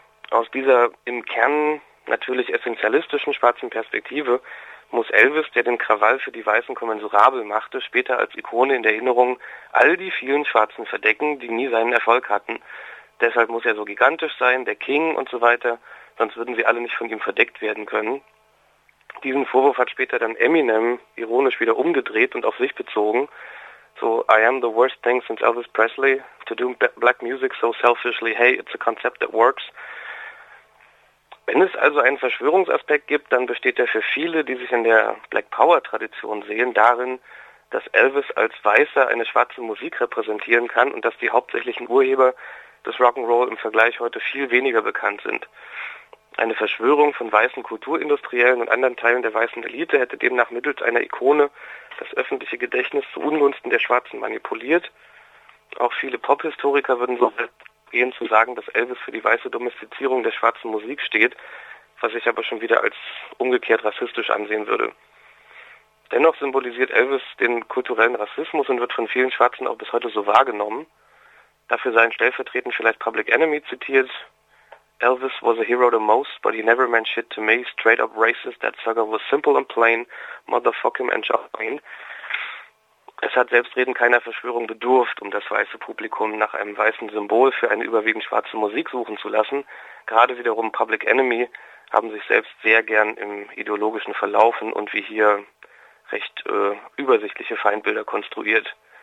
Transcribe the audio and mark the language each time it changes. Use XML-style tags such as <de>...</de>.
<de>Aus dieser im Kern natürlich essentialistischen schwarzen Perspektive muss Elvis, der den Krawall für die Weißen kommensurabel machte, später als Ikone in Erinnerung all die vielen Schwarzen verdecken, die nie seinen Erfolg hatten. Deshalb muss er so gigantisch sein, der King und so weiter, sonst würden sie alle nicht von ihm verdeckt werden können. Diesen Vorwurf hat später dann Eminem ironisch wieder umgedreht und auf sich bezogen.</de> <en>So, I am the worst thing since Elvis Presley. To do black music so selfishly, hey, it's a concept that works.</en> <de>Wenn es also einen Verschwörungsaspekt gibt, dann besteht er für viele, die sich in der Black Power Tradition sehen, darin, dass Elvis als Weißer eine schwarze Musik repräsentieren kann und dass die hauptsächlichen Urheber des Rock'n'Roll im Vergleich heute viel weniger bekannt sind. Eine Verschwörung von weißen Kulturindustriellen und anderen Teilen der weißen Elite hätte demnach mittels einer Ikone das öffentliche Gedächtnis zu Ungunsten der Schwarzen manipuliert. Auch viele Pop-Historiker würden so gehen zu sagen, dass Elvis für die weiße Domestizierung der schwarzen Musik steht, was ich aber schon wieder als umgekehrt rassistisch ansehen würde. Dennoch symbolisiert Elvis den kulturellen Rassismus und wird von vielen Schwarzen auch bis heute so wahrgenommen. Dafür seien stellvertretend vielleicht Public Enemy zitiert.</de> <en>Elvis was a hero to most, but he never meant shit to me. Straight up racist, that sucker was simple and plain. Motherfuck him and John Wayne.</en> <de>Es hat selbstredend keiner Verschwörung bedurft, um das weiße Publikum nach einem weißen Symbol für eine überwiegend schwarze Musik suchen zu lassen. Gerade wiederum Public Enemy haben sich selbst sehr gern im ideologischen verlaufen und wie hier recht übersichtliche Feindbilder konstruiert.</de>